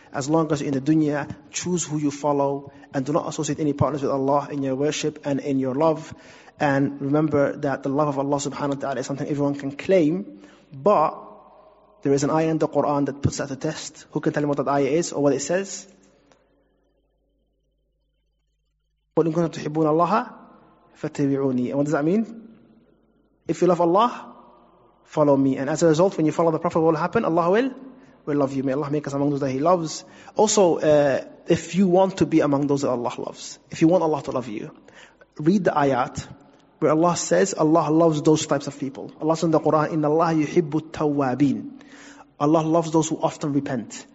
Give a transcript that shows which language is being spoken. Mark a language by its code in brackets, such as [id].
[en] As long as you're in the dunya, choose who you follow, and do not associate any partners with Allah in your worship and in your love. And remember that the love of Allah subhanahu wa ta'ala is something everyone can claim, but there is an ayah in the Quran that puts that to test. Who can tell me what that ayah is or what it says? [ar] قُلْ إِنْ كُنْتُمْ تُحِبُّونَ اللَّهَ فَاتَّبِعُونِي [en] And what does that mean? If you love Allah, follow me. And as a result, when you follow the Prophet, what will happen? Allah will love you. May Allah make us among those that He loves. Also, if you want to be among those that Allah loves, if you want Allah to love you, read the ayat where Allah says Allah loves those types of people. Allah says in the Quran, [ar] إِنَّ اللَّهَ يُحِبُّ التَّوَّابِينَ [en] Allah loves those who often repent.